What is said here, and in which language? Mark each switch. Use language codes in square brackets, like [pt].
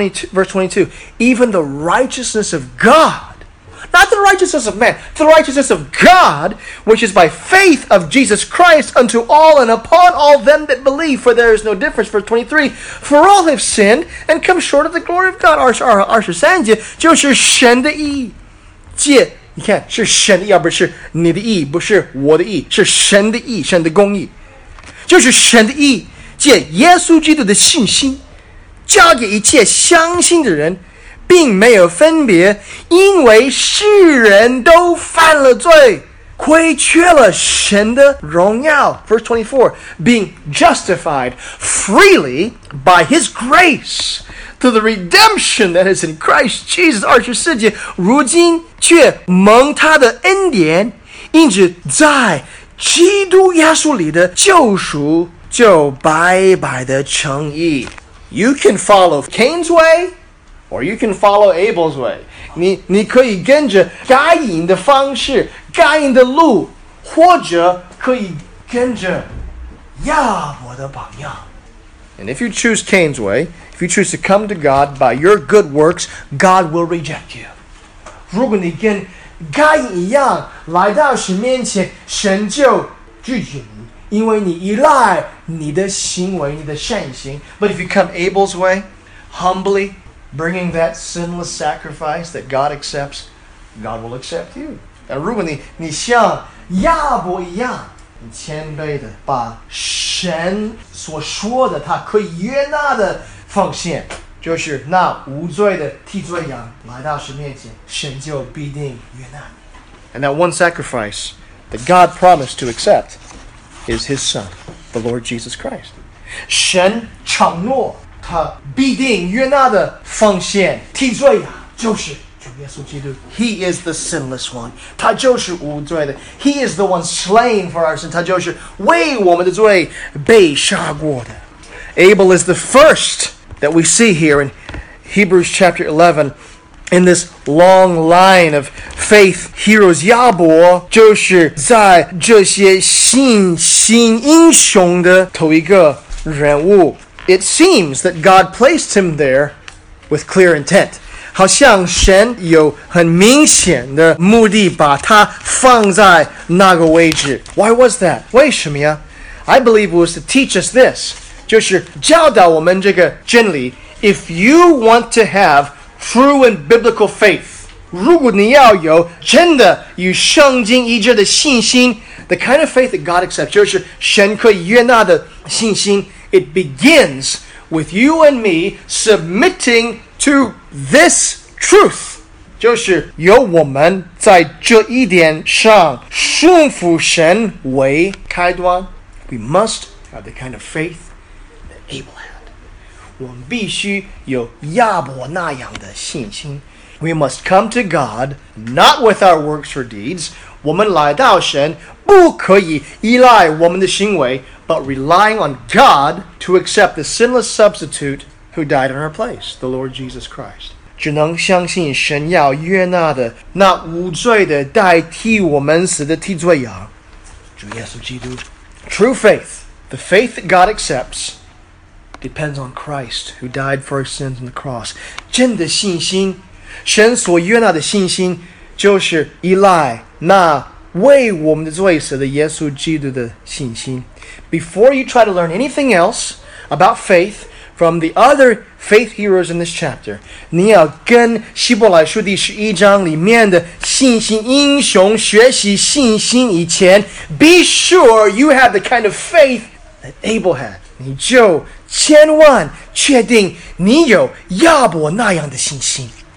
[en] Verse 22, even the righteousness of God, not the righteousness of man, the righteousness of God, which is by faith of Jesus Christ unto all and upon all them that believe, for there is no difference. Verse 23, for all have sinned and come short of the glory of God. [zh] 23节就是神的义。借，你看，是神的义，而不是你的义，不是我的义，是神的义，神的公义。就是神的义，借耶稣基督的信心，加给一切相信的人，并没有分别，因为世人都犯了罪。亏缺了神的荣耀。 [en] Verse 24, being justified freely by his grace through the redemption that is in Christ Jesus. [zh] 24节，如今却蒙他的恩典，因着在基督耶稣里的救赎，就白白的称义。 [en] You can follow Cain's way, or you can follow Abel's way. [zh] 你可以跟着该隐的方式，该隐的路，或者可以跟着亚伯的榜样。 [en] And if you choose Cain's way, if you choose to come to God by your good works, God will reject you. [zh] 如果你跟该隐一样来到神面前，神就拒绝你，因为你依赖你的行为，你的善行。 [en] But if you come Abel's way, humbly, bringing that sinless sacrifice that God accepts, God will accept you. [zh] 而如果你像亚伯一样，你谦卑的把神所说的他可以悦纳的奉献，就是那无罪的替罪羊来到神面前，神就必定悦纳你。 [en] And that one sacrifice that God promised to accept is His Son, the Lord Jesus Christ. [zh] 神承诺他必定悦纳的奉献替罪羊就是。 [en] He is the sinless one. [zh] 他就是无罪的。 [en] He is the one slain for our sin. [zh] 他就是为我们的罪被杀过的。 [en] Abel is the first that we see here in Hebrews chapter 11. in this long line of faith heroes, [zh] 亚伯就是在这些信心英雄的头一个人物。 [en] It seems that God placed him there with clear intent. [zh] 好像神有很明显的目的把他放在那个位置。 [en] Why was that? [zh] 为什么呀? [en] I believe it was to teach us this. [zh] 就是教导我们这个真理。 [en] If you want to have true and biblical faith, [zh] 如果你要有真的有圣经意志的信心, [en] the kind of faith that God accepts, [zh] 就是神可以悦纳的信心, [en] it begins with you and me submitting to this truth. [zh] 就是由我们在这一点上顺服神为开端。 [en] We must have the kind of faith that Abel has. [zh] 我们必须有亚伯那样的信心。 [en] We must come to God, not with our works or deeds. [zh] 我们来到神不可以依赖我们的行为 [en] but relying on God to accept the sinless substitute who died in our place, the Lord Jesus Christ. [zh] 只能相信神要悦纳的那无罪的代替我们死的替罪羊主耶稣基督。 [en] True faith, the faith that God accepts,depends on Christ who died for our sins on the cross. [zh] 真的信心神所悦纳的信心就是依赖那为我们的罪死的耶稣基督的信心。 [en] Before you try to learn anything else about faith from the other faith heroes in this chapter, [zh] 你要跟希伯来书第十一章里面的信心英雄学习信心以前 [en] be sure you have the kind of faith that Abel had. [zh] 你就千万确定你有亚伯那样的信心。